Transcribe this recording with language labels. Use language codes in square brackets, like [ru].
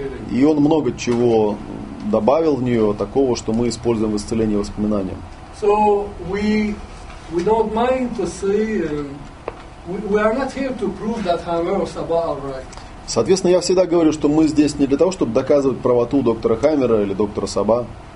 [ru] И он много чего добавил в нее такого, что мы используем в исцелении воспоминаний. [en] So we don't mind to say we are not here to prove that Hammer or Saba are right. [ru] Соответственно, я всегда говорю, что мы здесь не для того, чтобы доказывать правоту доктора Хаммера или доктора Саба.